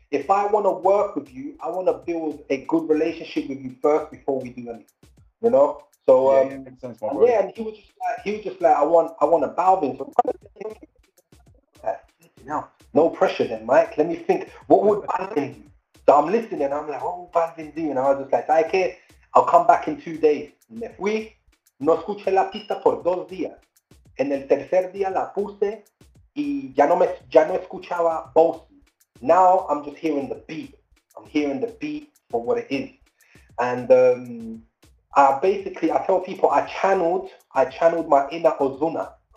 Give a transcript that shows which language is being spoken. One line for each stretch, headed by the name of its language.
English: If I want to work with you, I want to build a good relationship with you first before we do anything, you know? So, he was just like, I want a Balvin. So, no pressure then, Mike. Let me think. What would Balvin do? So I'm listening. And I'm like, what would Balvin do? And I was just like, okay, I'll come back in 2 days.
Spanish: Me fui, no escuché la pista por 2 días. En el tercer día la puse y ya no escuchaba voz.
English: Now I'm just hearing the beat. I'm hearing the beat for what it is. And I tell people I channeled my inner Ozuna.